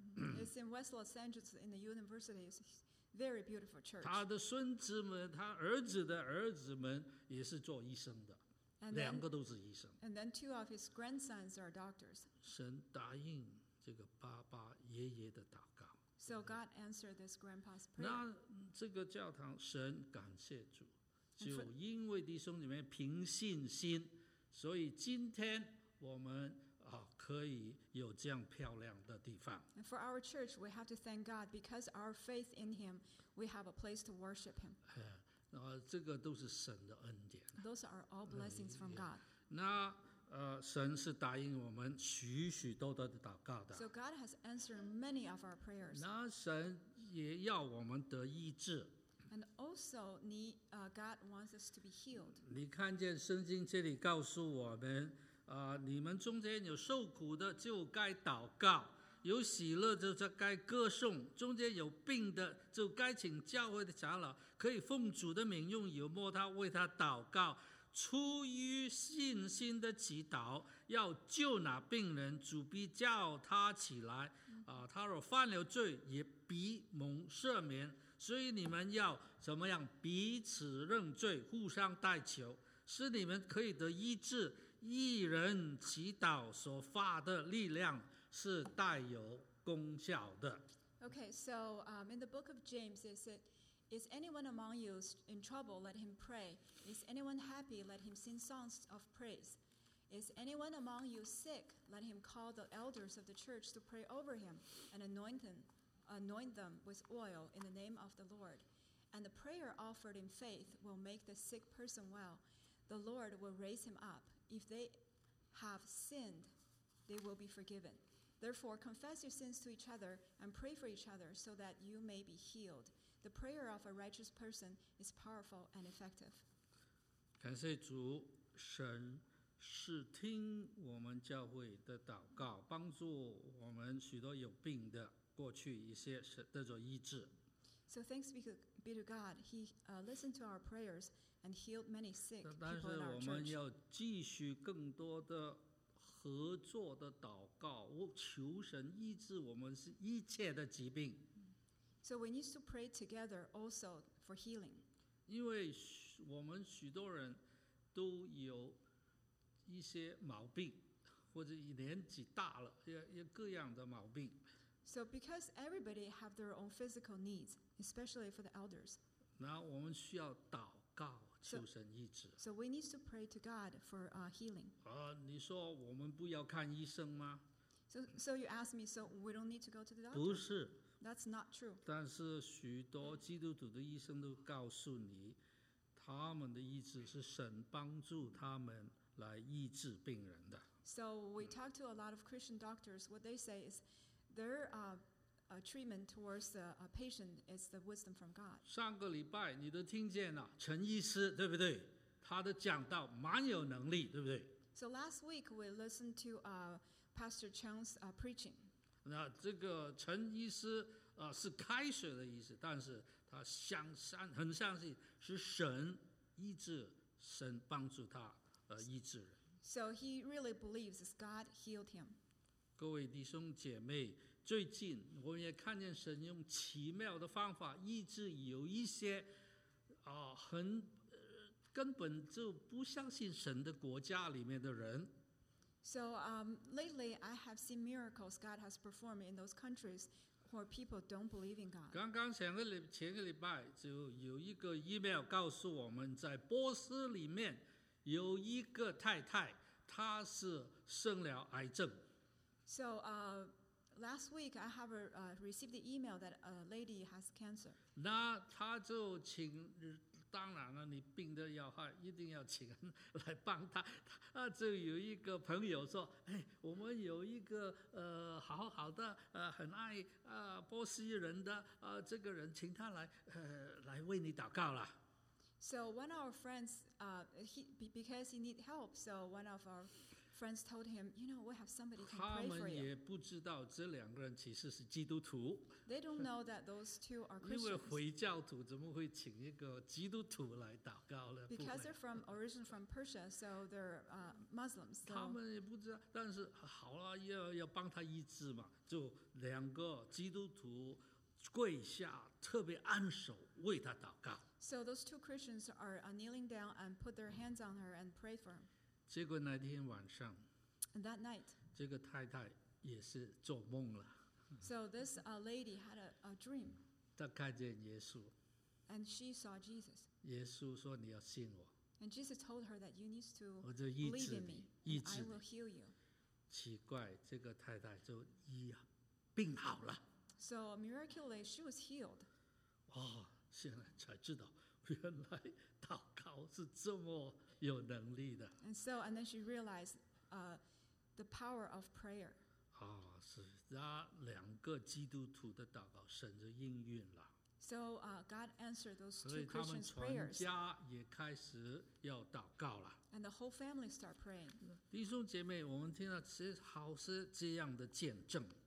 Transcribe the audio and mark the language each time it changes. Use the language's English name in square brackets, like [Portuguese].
[English] It's in West Los Angeles in the university. It's a very beautiful church. [Chinese] 他的孙子们，他儿子的儿子们也是做医生的，两个都是医生。 [English] And then two of his grandsons are doctors. [Chinese] 神答应这个爸爸爷爷的祷告。 [English] So God answered this grandpa's prayer. [Chinese] 那这个教堂，神感谢主，就因为弟兄里面凭信心。所以今天我们可以有这样漂亮的地方。 [English] And for our church, we have to thank God because our faith in Him, we have a place to worship Him. [Chinese] 这个都是神的恩典。 [English] Those are all blessings from God. [Chinese] 那神是答应我们许许多多的祷告的。 [English] So God has answered many of our prayers. [Chinese] 那神也要我们得医治。 [English] And also, God wants us to be healed. [Chinese] 你看见圣经这里告诉我们，你们中间有受苦的就该祷告，有喜乐就该歌颂，中间有病的就该请教会的长老，可以奉主的名用油抹他，为他祷告，出于信心的祈祷，要救那病人，主必叫他起来。他若犯了罪，也必蒙赦免。所以你们要怎么样彼此认罪，互相代求，使你们可以得医治。一人祈祷所发的力量是带有功效的。 [English] Okay, so in the book of James, it said, "Is anyone among you in trouble? Let him pray. Is anyone happy? Let him sing songs of praise. Is anyone among you sick? Let him call the elders of the church to pray over him and anoint him." Anoint them with oil in the name of the Lord. And the prayer offered in faith will make the sick person well. The Lord will raise him up. If they have sinned, they will be forgiven. Therefore, confess your sins to each other and pray for each other so that you may be healed. The prayer of a righteous person is powerful and effective. [Chinese] 感谢主，神是听我们教会的祷告，帮助我们许多有病的过去一些得着医治。 [English] So thanks be to God. He listened to our prayers and healed many sick people in our church. [Chinese] 但是我们要继续更多的合作的祷告，求神医治我们是一切的疾病。 [English] So we need to pray together also for healing. [Chinese] 因为我们许多人都有一些毛病，或者年纪大了，也各样的毛病。 [English] So because everybody have their own physical needs, especially for the elders. [Chinese] 那我们需要祷告求神医治。 [English] So we need to pray to God for healing. [Chinese] 你说我们不要看医生吗？ [English] So you ask me, so we don't need to go to the doctor? [Chinese] 不是。 [English] That's not true. [Chinese] 但是许多基督徒的医生都告诉你，他们的医治是神帮助他们来医治病人的。 [English] So we talk to a lot of Christian doctors. What they say is their treatment towards a patient is the wisdom from God. [Chinese] 上个礼拜你都听见了陈医师，对不对？他的讲道蛮有能力，对不对？ [English] So last week we listened to Pastor Chang's preaching. [Chinese] 那这个陈医师是开水的意思，但是他很相信是神医治，神帮助他医治人。 [English] So he really believes God healed him. [Chinese] 各位弟兄姐妹，最近我们也看见神用奇妙的方法医治有一些根本就不相信神的国家里面的人。 [English] So lately I have seen miracles God has performed in those countries where people don't believe in God. [Chinese] 刚刚前个礼拜就有一个 email 告诉我们，在波斯里面有一个太太，她是生了癌症。 [English] So last week I have received the email that a lady has cancer. [Chinese] 那她就请，当然了，你病得要害，一定要请人来帮她。她就有一个朋友说，哎，我们有一个好好的很爱波斯人的这个人，请他来为你祷告了。 [English] So one of our friends, because he need help, so one of our friends told him, you know, we have somebody to pray for you. [Chinese] 他们也不知道这两个人其实是基督徒。 [English] They don't know that those two are Christians. [Chinese] 因为回教徒怎么会请一个基督徒来祷告呢？ [English] Because they're originally from Persia, so they're Muslims. So [Chinese] 他们也不知道，但是好了，要帮他医治嘛，就两个基督徒跪下，特别按手为他祷告。 [English] So those two Christians are kneeling down and put their hands on her and pray for him. [Chinese] 结果那天晚上 [English] and that night, [Chinese] 这个太太也是做梦了。 [English] So this lady had a dream. [Chinese] 她看见耶稣。 [English] And she saw Jesus. [Chinese] 耶稣说你要信我。 [English] And Jesus told her that you need to believe in me. And I will heal you. [Chinese] 奇怪，这个太太就医病好了。 [English] So miraculously, she was healed. [Chinese] 哇，现在才知道原来祷告是这么有能力的。 [English] And then she realized the power of prayer. [Chinese] 是那两个基督徒的祷告神就应允了。 [English] So God answered those two Christians' prayers. [Chinese] 所以他们全家也开始要祷告了。 [English] And the whole family start praying. [Chinese] 弟兄姐妹，我们听到其实好是这样的见证。